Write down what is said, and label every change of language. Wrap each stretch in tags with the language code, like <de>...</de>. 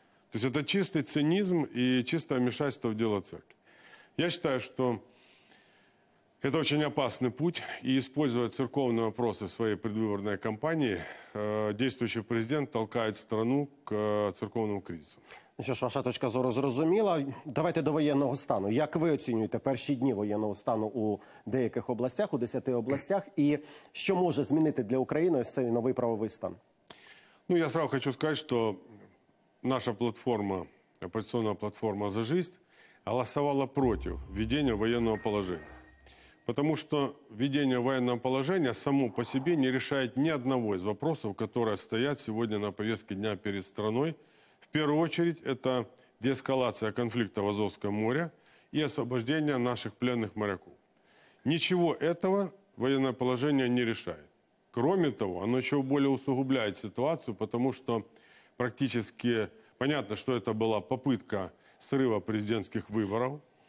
<ru>То есть это чистый цинизм и чистое вмешательство в дело церкви. Я считаю, что это очень опасный путь, и использовать церковные вопросы в своей предвыборной кампании действующий президент толкает страну к церковному кризису.</ru> <uk>Що ж, ваша точка зору зрозуміла. Давайте до воєнного стану. Як ви оцінюєте перші дні воєнного стану у деяких областях, у 10 областях? І що може змінити для України ось цей новий правовий стан? Ну, я зразу хочу сказати, що наша платформа, опозиційна платформа «За життя», голосувала проти введення воєнного положення. Тому що введення воєнного положення само по собі не вирішує ні одного з питань, які стоять сьогодні на повістці дня перед країною.</uk> <ru>В первую очередь, это деэскалация конфликта в Азовском море и освобождение наших пленных моряков. Ничего этого военное положение не решает. Кроме того, оно еще более усугубляет ситуацию, потому что практически понятно, что это была попытка срыва президентских выборов.</ru>